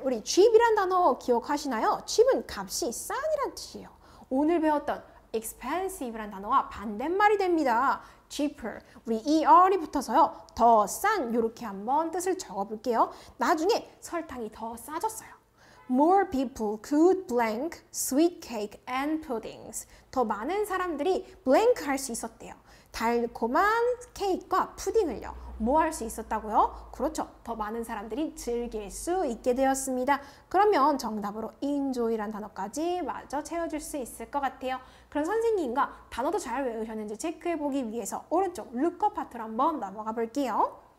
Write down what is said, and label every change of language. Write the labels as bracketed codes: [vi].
[ko] 우리 cheap이란 단어 기억하시나요? cheap은 값이 싼이란 뜻이에요. 오늘 배웠던 expensive란 단어와 반대말이 됩니다. cheaper. 우리 er이 붙어서요. 더 싼 이렇게 한번 뜻을 적어볼게요. 나중에 설탕이 더 싸졌어요. [en] More people could blank sweet cake and puddings. [ko] 더 많은 사람들이 blank 할 수 있었대요. 달콤한 케이크와 푸딩을요. 뭐 할 수 있었다고요? 그렇죠. 더 많은 사람들이 즐길 수 있게 되었습니다. 그러면 정답으로 enjoy란 단어까지 마저 채워줄 수 있을 것 같아요. 그럼 선생님과 단어도 잘 외우셨는지 체크해보기 위해서 오른쪽 look-up 파트로 한번 넘어가 볼게요.